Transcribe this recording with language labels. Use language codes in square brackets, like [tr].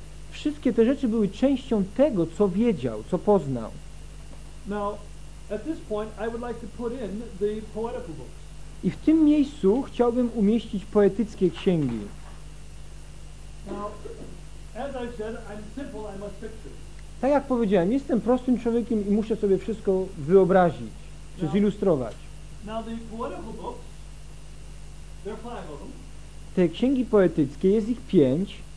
[pl] Wszystkie te rzeczy były częścią tego, co wiedział, co poznał. [en] Now, at this point, I would like to put in the poetical books. [pl] I w tym miejscu chciałbym umieścić poetyckie księgi. [en] Now, as I said, I'm simple, I must picture. [pl] Tak jak powiedziałem, jestem prostym człowiekiem i muszę sobie wszystko wyobrazić, czy zilustrować. [en] Now, the poetical books, there are five of them. [pl] Te księgi poetyckie, jest ich pięć.